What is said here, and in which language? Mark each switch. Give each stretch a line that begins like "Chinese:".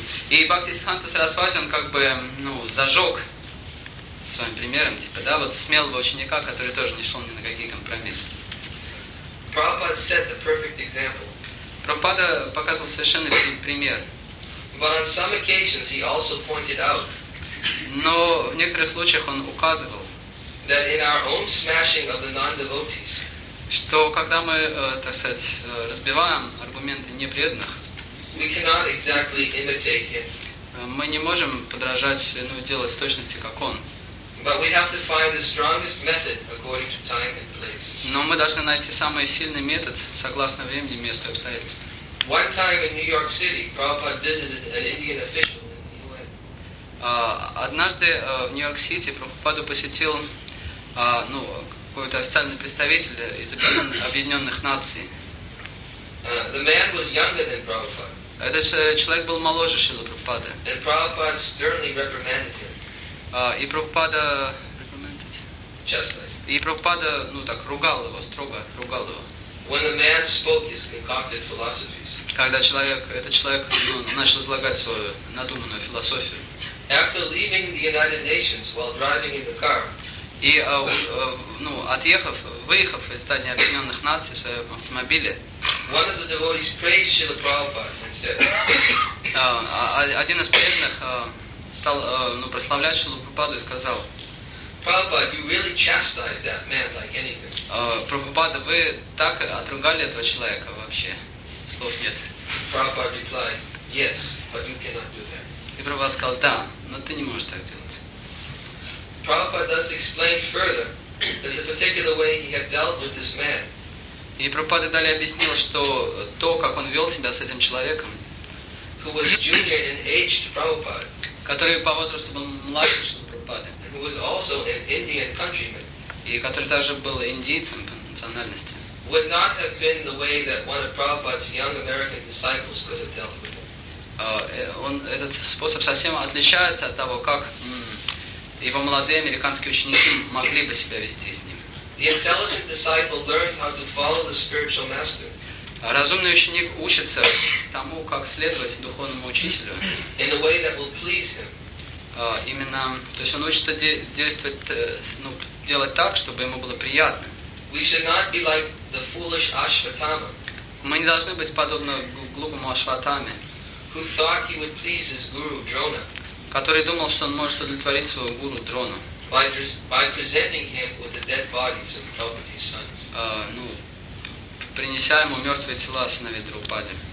Russian: И Бхактисиддханта Сарасвати, он зажег своим примером, смелого ученика, который тоже не шел ни на какие компромиссы.
English: Prabhupada set the perfect example.
Russian: Прабхупада показывал совершенно пример.
English: But on some occasions he also pointed out.
Russian: Но в некоторых случаях он указывал,
English: that in our own smashing of the non-devotees,
Russian: что когда мы, разбиваем аргументы непреданных,
English: we cannot exactly imitate him.
Russian: Мы не можем подражать, делать в точности, как он.
English: But we have to find the strongest method according to time and place.
Russian: Но мы должны найти самый сильный метод согласно времени, месту и обстоятельствам.
English: One time in New York City, Prabhupada visited an Indian official.
Russian: Однажды в Нью-Йорк-Сити Прабхупаду посетил какой-то официальный представитель из Объединенных Наций.
English: The man was younger than Prabhupada.
Russian: Этот человек был моложе Шрилы Прабхупады.
English: And Prabhupada sternly reprimanded him.
Russian: И Прабхупада ругал его, строго ругал его.
English: When the man spoke his concocted philosophies.
Russian: Когда человек, этот человек, ну, начал излагать свою надуманную философию.
English: After leaving the United Nations while driving in the car.
Russian: И ну, отъехав, выехав из здания Объединенных Наций в своем автомобиле.
English: One of the devotees praised Srila Prabhupada and said.
Russian: Один из преданных стал ну, прославлять Шрилу Прабхупаду и сказал.
English: Prabhupada, you really chastised that man like anything.
Russian: Прабхупада, вы так отругали этого человека вообще. Слов нет.
English: Prabhupada replied, yes, but you cannot do that.
Russian: И Прабхупада сказал, да, но ты не можешь так делать.
English: Prabhupada thus explained further that the particular way he had dealt with this man.
Russian: И Прабхупада далее объяснил, что то, как он вел себя с этим человеком,
English: who was junior in age to Prabhupada,
Russian: который по возрасту был младше, чем Прабхупада,
English: who was also an Indian countryman,
Russian: и который также был индийцем по национальности,
English: would not have been the way that one of Prabhupada's young American disciples could have dealt with him.
Russian: Он, этот способ совсем отличается от того, как его молодые американские ученики могли бы себя вести с ним.
English: The intelligent disciple learns how to follow the spiritual master.
Russian: Разумный ученик учится тому, как следовать духовному учителю.
English: In a way that will please him.
Russian: Именно, то есть он учится действовать, ну, делать так, чтобы ему было приятно.
English: We should not be like the foolish Ashvatthama.
Russian: Мы не должны быть подобны глупому Ашватаме.
English: Who thought he would please his guru Drona.
Russian: Который думал, что он может удовлетворить своего гуру Дрону.
English: By presenting him with the dead bodies of Prabhupada's sons.
Russian: Ну, принеся ему мертвые тела сыновей Друпады.